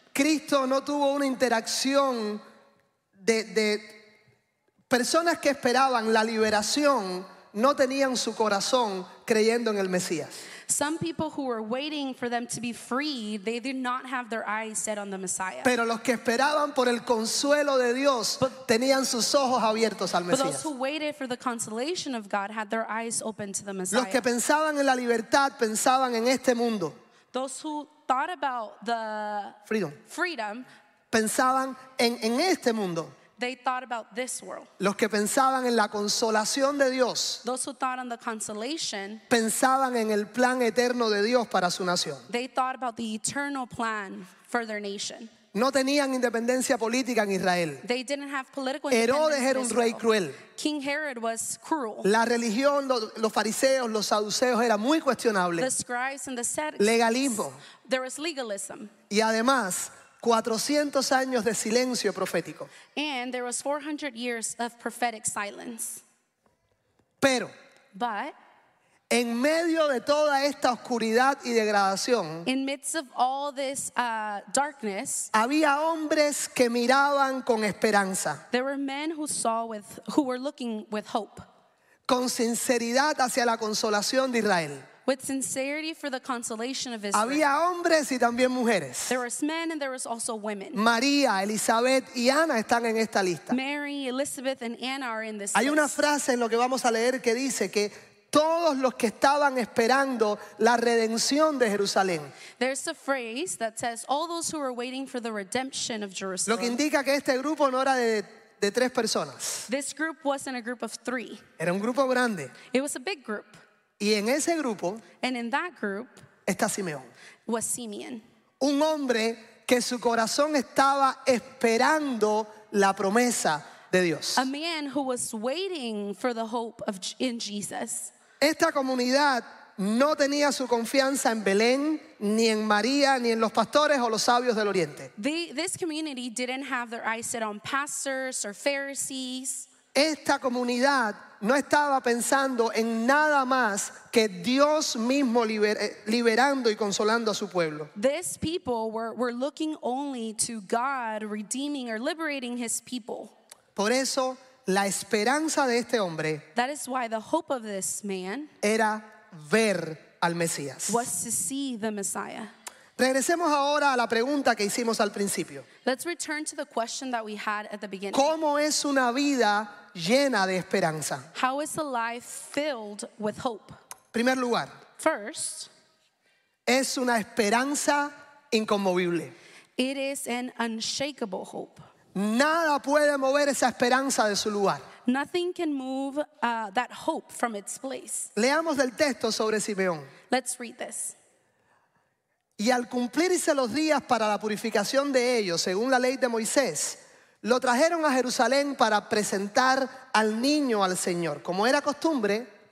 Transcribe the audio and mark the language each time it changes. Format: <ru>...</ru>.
<es>Cristo no tuvo una interacción de personas que esperaban la liberación, no tenían su corazón creyendo en el Mesías.</es> <en>Some people who were waiting for them to be free, they did not have their eyes set on the Messiah.</en> <es>Pero los que esperaban por el consuelo de Dios tenían sus ojos abiertos al Mesías.</es> <en>But those who waited for the consolation of God had their eyes open to the Messiah.</en> <es>Los que pensaban en la libertad pensaban en este mundo.</es> <en>Those who thought about the</en> <es>freedom pensaban en este mundo.</es> <en>They thought about this world.</en> <es>Los que pensaban en la consolación de Dios.</es> <en>Those who thought on the consolation.</en> <es>Pensaban en el plan eterno de Dios para su nación.</es> <en>They thought about the eternal plan for their nation.</en> <es>No tenían independencia política en Israel.</es> <en>They didn't have political independence.</en> <es>Herodes era un rey cruel.</es> <en>King Herod was cruel.</en> <es>La religión, los fariseos, los saduceos era muy cuestionable.</es> <en>The scribes and the sadducees.</en> <es>Legalismo.</es> <en>There was legalism.</en> <es>Y además, 400 años de silencio profético.</es> <en>And there was 400 years of prophetic silence.</en> <es>Pero,</es> <en>but,</en> <es>en medio de toda esta oscuridad y degradación,</es> <en>in midst of all this darkness,</en> <es>había hombres que miraban con esperanza.</es> <en>There were men who saw with, who were looking with hope.</en> <es>Con sinceridad hacia la consolación de Israel.</es> <en>With sincerity for the consolation of Israel.</en> <es>Había hombres y también mujeres.</es> <en>There was men and there was also women.</en> <es>María, Elizabeth y Ana están en esta lista.</es> <en>Mary, Elizabeth and Anna are in this</en> <es>Hay</es> <en>list.</en> <es>Una frase en lo que vamos a leer que dice que todos los que estaban esperando la redención de Jerusalén.</es> <en>There's a phrase that says all those who were waiting for the redemption of Jerusalem.</en> <es>Lo que indica que este grupo no era de tres personas.</es> <en>This group wasn't a group of three.</en> <es>Era un grupo grande.</es> <en>It was a big group.</en> <es>Y en ese grupo,</es> <en>and in that group,</en> <es>está Simeón.</es> <en>Was Simeon.</en> <es>Un hombre que su corazón estaba esperando la promesa de Dios.</es> <en>A man who was waiting for the hope of in Jesus.</en> <es>Esta comunidad no tenía su confianza en Belén, ni en María, ni en los pastores o los sabios del Oriente.</es> <en>This community didn't have their eyes set on pastors or Pharisees.</en> <es>Esta comunidad no estaba pensando en nada más que Dios mismo liberando y consolando a su pueblo.</es> <en>These people were looking only to God redeeming or liberating his people.</en> <es>Por eso, la esperanza de este hombre</es> <en>That is why the hope of this man</en> <es>era ver al Mesías.</es> <en>Was to see the Messiah.</en> <es>Regresemos ahora a la pregunta que hicimos al principio.</es> <en>Let's return to the question that we had at the beginning.</en> <es>¿Cómo es una vida llena de esperanza?</es> <en>How is a life filled with hope?</en> <es>Primer lugar.</es> <en>First,</en> <es>es una esperanza inconmovible.</es> <en>It is an unshakable hope.</en> <es>Nada puede mover esa esperanza de su lugar.</es> <en>Nothing can move that hope from its place.</en> <es>Leamos del texto sobre Simeón.</es> <en>Let's read this.</en> <es>Y al cumplirse los días para la purificación de ellos, según la ley de Moisés, lo trajeron a Jerusalén para presentar al niño al Señor, como era costumbre.</es>